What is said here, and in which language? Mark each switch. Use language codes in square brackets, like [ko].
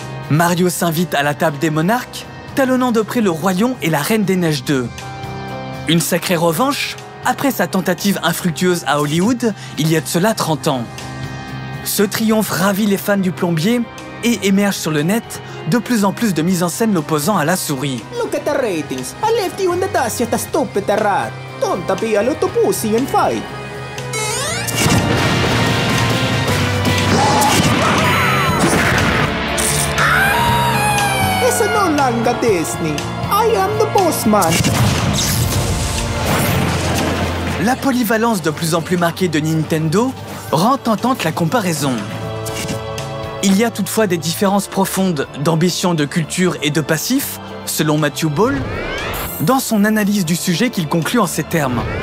[fr] Mario s'invite à la table des monarques, talonnant de près le Roi Lion et la Reine des Neiges 2. Une sacrée revanche après sa tentative infructueuse à Hollywood il y a de cela 30 ans. Ce triomphe ravit les fans du plombier et émerge sur le net de plus en plus de mises en scène l'opposant à la souris. [en] Look at the ratings. I left you in the dust, you're the stupid rat. Don't be a little pussy and fight. It's no longer Disney. I am the boss man. [fr] La polyvalence de plus en plus marquée de Nintendo rend tentante la comparaison. Il y a toutefois des différences profondes d'ambition, de culture et de passif, selon Matthew Ball, dans son analyse du sujet qu'il conclut en ces termes.